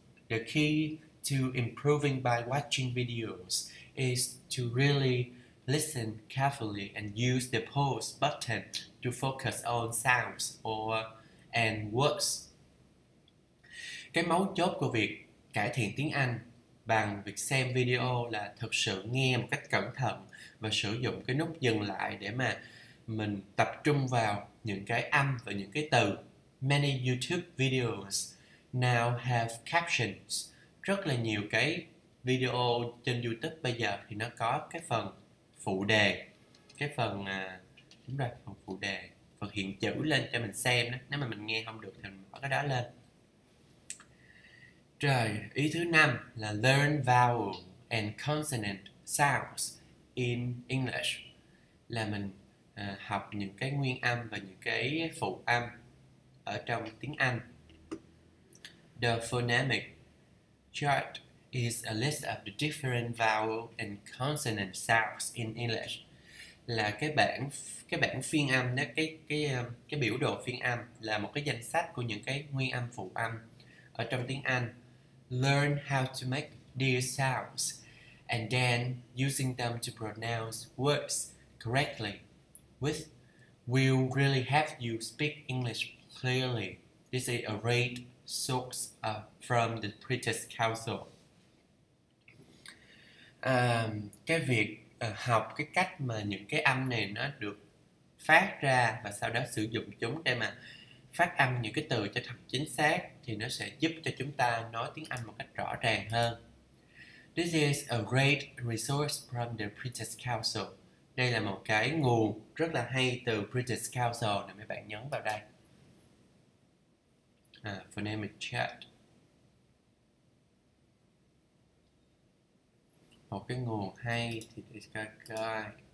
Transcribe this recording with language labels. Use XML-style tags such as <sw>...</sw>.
<en>The key to improving by watching videos is to really listen carefully and use the pause button to focus on sounds or and words.</en> <vi>Cái mấu chốt của việc cải thiện tiếng Anh bằng việc xem video là thực sự nghe một cách cẩn thận và sử dụng cái nút dừng lại để mà mình tập trung vào những cái âm và những cái từ.</vi> <en>Many YouTube videos now have captions.</en> <vi>Rất là nhiều cái video trên YouTube bây giờ thì nó có cái phần phụ đề, cái phần đúng rồi, phần phụ đề, phần hiện chữ lên cho mình xem đó. Nếu mà mình nghe không được thì mình bỏ cái đó lên. Rồi, ý thứ năm là</vi> <en>learn vowel and consonant sounds in English.</en> <vi>Là mình học những cái nguyên âm và những cái phụ âm ở trong tiếng Anh.</vi> <en>The phonemic chart is a list of the different vowel and consonant sounds in English.</en> <vi>Là cái bảng phiên âm đó, cái biểu đồ phiên âm là một cái danh sách của những cái nguyên âm phụ âm ở trong tiếng Anh.</vi> <en>Learn how to make these sounds and then using them to pronounce words correctly with will really help you speak English clearly. This is a great source from the British Council.</en> <vi>Cái việc học cái cách mà những cái âm này nó được phát ra và sau đó sử dụng chúng để mà phát âm những cái từ cho thật chính xác thì nó sẽ giúp cho chúng ta nói tiếng Anh một cách rõ ràng hơn.</vi> <en>This is a great resource from the British Council.</en> <vi>Đây là một cái nguồn rất là hay từ British Council nè, mấy bạn nhấn vào đây.</vi> <en>Phonemic chart.</en> <vi>Một cái nguồn hay thì để coi.</vi>